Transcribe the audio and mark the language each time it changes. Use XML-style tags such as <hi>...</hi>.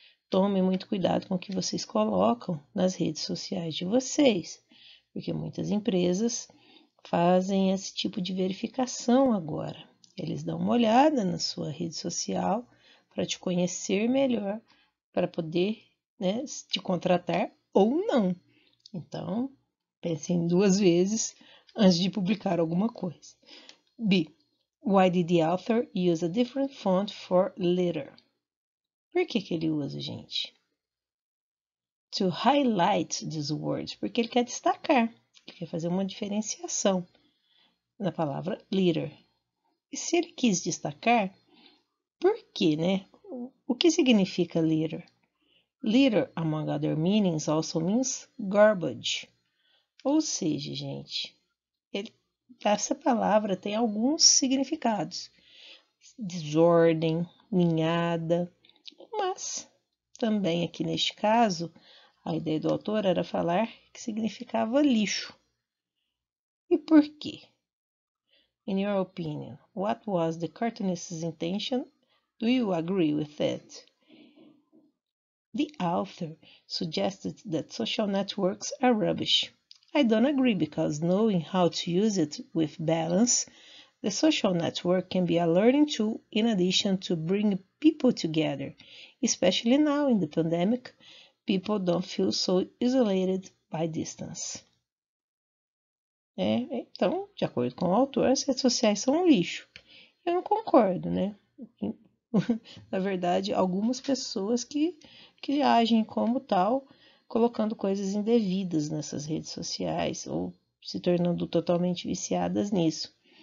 <pt>Tome muito cuidado com o que vocês colocam nas redes sociais de vocês, porque muitas empresas fazem esse tipo de verificação agora. Eles dão uma olhada na sua rede social para te conhecer melhor, para poder, né, te contratar ou não. Então, pensem duas vezes antes de publicar alguma coisa. B.</pt> <en>Why did the author use a different font for letter?</en> <pt>Por que que ele usa, gente?</pt> <en>To highlight these words.</en> <pt>Porque ele quer destacar, ele quer fazer uma diferenciação na palavra letter. E se ele quis destacar, por quê, né? O que significa litter?</pt> <en>Litter, among other meanings, also means garbage.</en> <pt>Ou seja, gente, essa palavra tem alguns significados. Desordem, ninhada. Mas, também aqui neste caso, a ideia do autor era falar que significava lixo. E por quê?</pt> <en>In your opinion, what was the cartoonist's intention? Do you agree with it? The author suggested that social networks are rubbish. I don't agree because knowing how to use it with balance, the social network can be a learning tool in addition to bring people together. Especially now in the pandemic, people don't feel so isolated by distance.</en> <pt>É, então, de acordo com o autor, as redes sociais são um lixo. Eu não concordo, né? Na verdade, algumas pessoas que agem como tal, colocando coisas indevidas nessas redes sociais ou se tornando totalmente viciadas nisso.</pt>